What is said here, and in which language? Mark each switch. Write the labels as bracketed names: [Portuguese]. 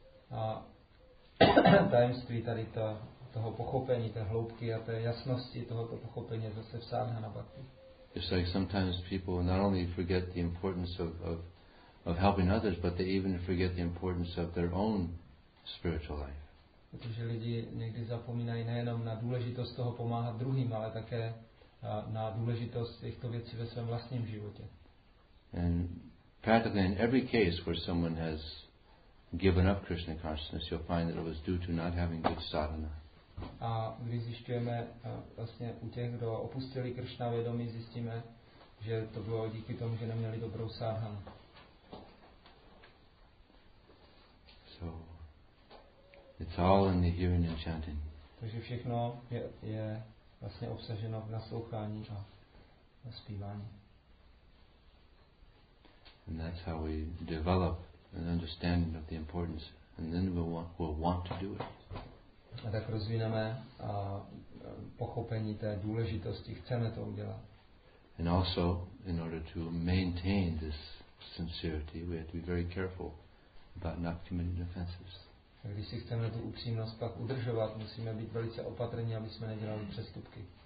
[Czech] A tajemství tady toho pochopení, té hloubky a té jasnosti tohoto pochopení zase v sadhana bhakti. [English] It's like sometimes people not only forget the importance of helping others, but they even forget the importance of their own spiritual life. [Czech] Protože lidi někdy zapomínají nejenom na důležitost toho pomáhat druhým, ale také na důležitost těchto věcí ve svém vlastním životě. [English] And practically in every case where someone has given up Krishna consciousness, you'll find that it was due to not having good sadhana. [Czech] A když zjišťujeme vlastně u těch, kdo opustili Krishna vědomí, zjistíme, že to bylo díky tomu, že neměli dobrou sádhanu. [English] So, it's all in the hearing and chanting. [Czech] Takže všechno je vlastně obsaženo v naslouchání a na zpívání. [English] And that's how we develop an understanding of the importance, and then we'll want to do it. [Czech] A tak rozvineme pochopení té důležitosti. Chceme to udělat. [English] And also, in order to maintain this sincerity, we have to be very careful about not committing offenses. [Czech] Když si chceme tu upřímnost pak udržovat, musíme být velice opatrní, aby jsme nedělali přestupky.